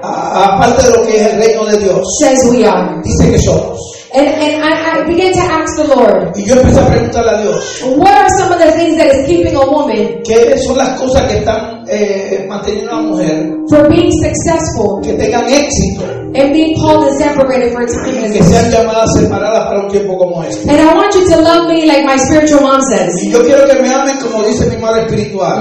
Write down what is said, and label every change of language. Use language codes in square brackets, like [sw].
[es] aparte de lo que es el reino de Dios, [en] says we are, [es] dice que somos. [en] And I began to ask the Lord, [es] y yo empecé a preguntarle a Dios, [en] what are some of the things that is keeping a woman, [es] que son las cosas que están manteniendo a una mujer, [en] for being successful, [es] que tengan éxito, [en] and being called and separated for a time [es] y que sean llamadas separadas para un tiempo como este. [en] And I want you to love me like my spiritual mom says, [es] y yo quiero que me amen como dice mi madre espiritual,